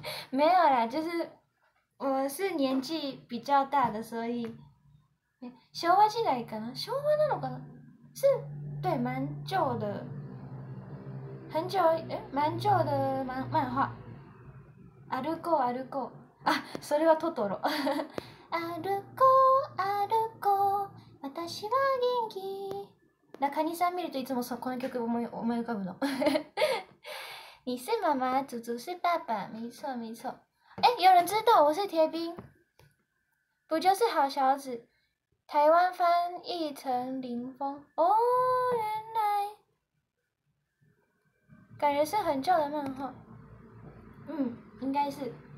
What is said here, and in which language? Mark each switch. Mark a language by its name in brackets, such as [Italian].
[Chinese] 没有啦，就是我是年纪比较大的，所以昭和时代 [Japanese] かな？昭和なのかな？ [Chinese] 是，对，蛮旧的，很久，蛮旧的漫画。 [Japanese] 歩こう歩こう，啊，それはトトロ。歩こう歩こう。私は元気。那カニさん見るといつもこの曲思い浮かぶの。 [Chinese] 你是妈妈，祖祖是爸爸，没错没错。哎，有人知道我是铁兵，不就是好小子？台湾翻译成林峰。哦，原来，感觉是很旧的漫画。嗯，应该是。